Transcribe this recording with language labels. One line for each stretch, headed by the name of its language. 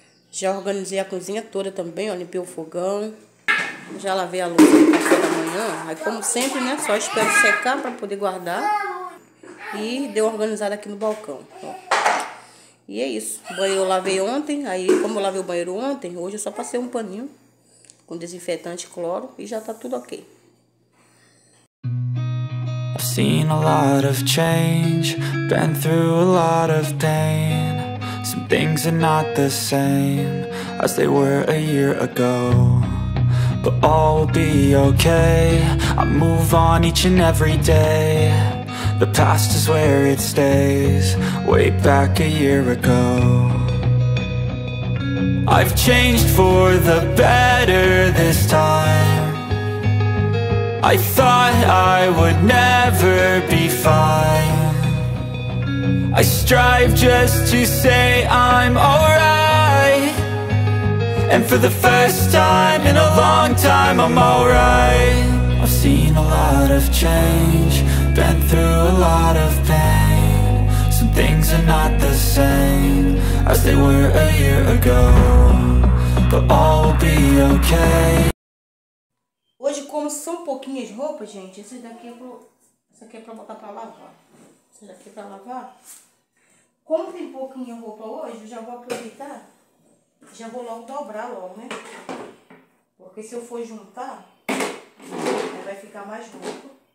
Portuguese: Já organizei a cozinha toda também, ó. Limpei o fogão. Já lavei a louça no café da manhã. Aí, como sempre, né? Só espero secar pra poder guardar. E deu organizada aqui no balcão, ó. E é isso. O banheiro eu lavei ontem. Aí, como eu lavei o banheiro ontem, hoje eu só passei um paninho com desinfetante cloro e já tá tudo ok.
English: I've seen a lot of change, been through a lot of pain. Some things are not the same as they were a year ago. But all will be okay, I move on each and every day. The past is where it stays, way back a year ago. I've changed for the better this time. I thought I would never be fine. I strive just to say I'm alright. And for the first time in a long time I'm alright. I've seen a lot of change, been through a lot of pain. Some things are not the same as they were a year ago. But all will be okay.
Portuguese: Hoje, como são pouquinhas roupas, gente, essa daqui é pro... essa aqui é pra botar pra lavar. Essa daqui é pra lavar. Como tem pouquinha roupa hoje, eu já vou aproveitar. Já vou logo dobrar logo, né? Porque se eu for juntar, aí vai ficar mais roupa.